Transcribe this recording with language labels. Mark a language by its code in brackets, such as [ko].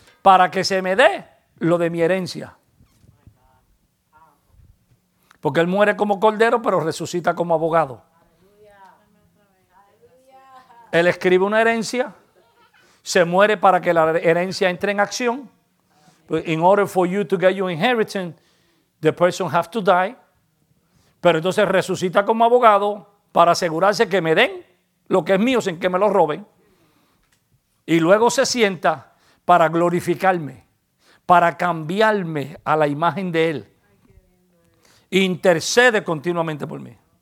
[es] Para que se me dé lo de mi herencia. Porque él muere como cordero, pero resucita como abogado. Él escribe una herencia, se muere para que la herencia entre en acción. [en] In order for you to get your inheritance, the person has to die. [es] Pero entonces resucita como abogado para asegurarse que me den lo que es mío sin que me lo roben. Y luego se sienta para glorificarme, para cambiarme a la imagen de Él. Intercede continuamente por mí.